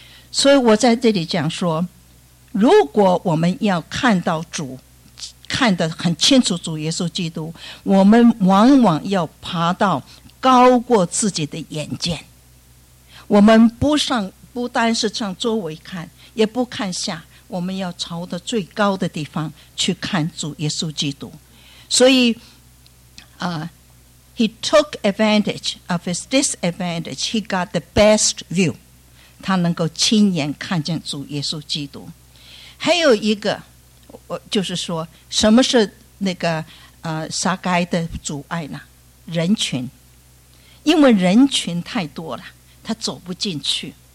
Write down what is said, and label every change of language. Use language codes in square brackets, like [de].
[zh] 所以我在这里讲说，如果我们要看到主，看得很清楚主耶稣基督，我们往往要爬到高过自己的眼见。我们不单是上周围看，也不看下，我们要朝着最高的地方去看主耶稣基督。 [en] 所以He took advantage of his disadvantage. He got the best view. [zh] 他能够亲眼看见主耶稣基督。还有一个，就是说，什么是那个撒该的阻碍呢？人群，因为人群太多了，他走不进去。